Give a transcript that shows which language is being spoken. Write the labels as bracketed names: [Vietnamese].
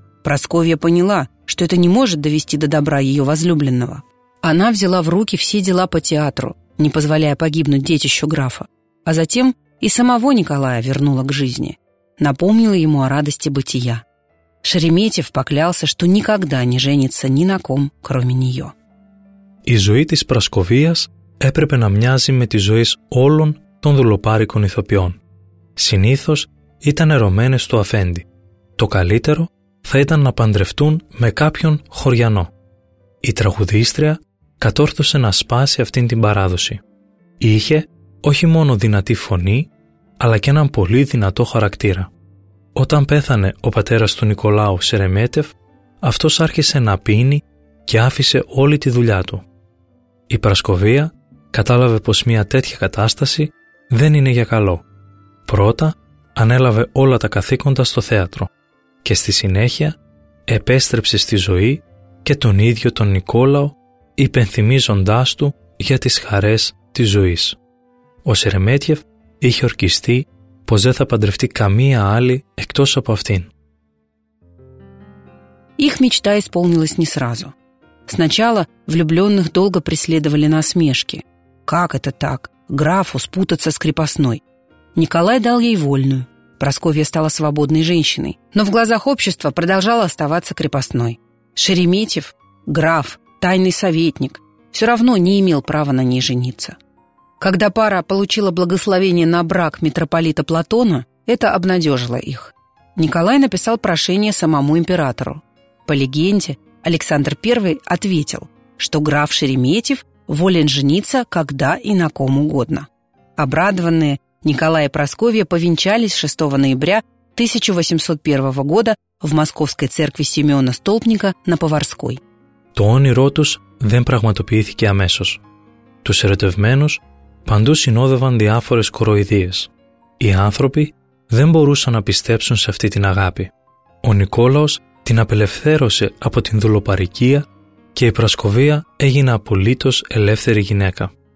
[Russian] Прасковья поняла, что это не может довести до добра ее возлюбленного. Она взяла в руки все дела по театру, не позволяя погибнуть детищу графа, а затем и самого Николая вернула к жизни, напомнила ему о радости бытия. Шереметьев поклялся, что никогда не женится ни на ком, кроме нее. [Greek] Η ζωή της Πρασκοβίας έπρεπε να μοιάζει με τη ζωή όλων των δουλοπάρικων ηθοποιών. Συνήθως ήταν ερωμένες του αφέντη. Το καλύτερο θα ήταν να παντρευτούν με κάποιον χωριανό. Η τραγουδίστρια κατόρθωσε να σπάσει αυτήν την παράδοση. Είχε όχι μόνο δυνατή φωνή, αλλά και έναν πολύ δυνατό χαρακτήρα. Όταν πέθανε ο πατέρας του Νικολάου Σερεμέτιεφ, αυτός άρχισε να πίνει και άφησε όλη τη δουλειά του. Η Πρασκοβία κατάλαβε πως μια τέτοια κατάσταση δεν είναι για καλό. Πρώτα ανέλαβε όλα τα καθήκοντα στο θέατρο και στη συνέχεια επέστρεψε στη ζωή και τον ίδιο τον Νικόλαο, υπενθυμίζοντάς του για τις χαρές της ζωής. Ο Σερεμέτιεφ είχε ορκιστεί πως δεν θα παντρευτεί καμία άλλη εκτός από αυτήν. [Russian] Их мечта исполнилась не сразу. Сначала влюблённых долго преследовали насмешки. Как это так? Графу спутаться с крепостной. Николай дал ей вольную. Прасковья стала свободной женщиной, но в глазах общества продолжала оставаться крепостной. Шереметьев, граф, тайный советник, все равно не имел права на ней жениться. Когда пара получила благословение на брак митрополита Платона, это обнадежило их. Николай написал прошение самому императору. По легенде, Александр I ответил, что граф Шереметьев волен жениться когда и на ком угодно. Обрадованные, Николай и Прасковья повенчались 6 ноября 1801 года в Московской церкви Симеона Столпника на Поварской. [Greek] Το όνειρό τους δεν πραγματοποιήθηκε αμέσως. Τους ερωτευμένους παντού συνόδευαν διάφορες κοροϊδίες. Οι άνθρωποι δεν μπορούσαν να πιστέψουν σε αυτή την αγάπη. Ο Νικόλαος την απελευθέρωσε από την δουλοπαρικία και η Πρασκοβία έγινε απολύτως ελεύθερη γυναίκα.